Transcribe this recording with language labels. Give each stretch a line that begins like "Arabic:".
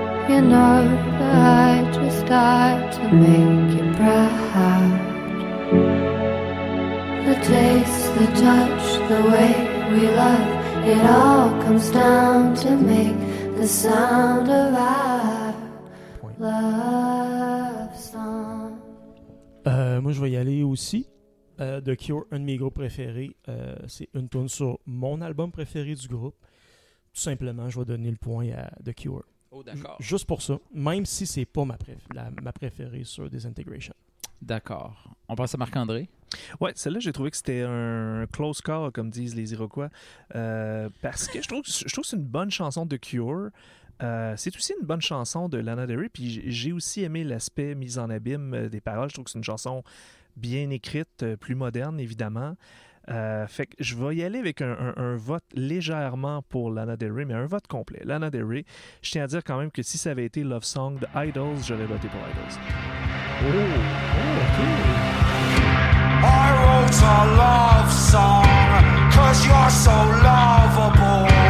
English: You know that I just died to make you proud. The taste, the touch, the way we love, it all comes down to make the sound of our love song.
French: Moi je vais y aller aussi. The Cure, un de mes groupes préférés. C'est une tune sur mon album préféré du groupe. Tout simplement, je vais donner le point à The Cure. Oh, d'accord. Juste pour ça, même si c'est pas ma préférée sur Disintegration. D'accord. On passe à Marc-André. Ouais, celle-là, j'ai trouvé que c'était un close call, comme disent les Iroquois. Parce que je trouve que c'est une bonne chanson de Cure. C'est aussi une bonne chanson de Lana Del Rey. Puis j'ai aussi aimé l'aspect mise en abîme des paroles. Je trouve que c'est une chanson bien écrite, plus moderne, évidemment. Fait que je vais y aller avec un vote légèrement pour Lana Del Rey, mais un vote complet. Lana Del Rey, je tiens à dire quand même que si ça avait été Love Song de Idols, j'aurais voté pour Idols. Oh, ok.
English: I wrote a love song, cause you're so lovable.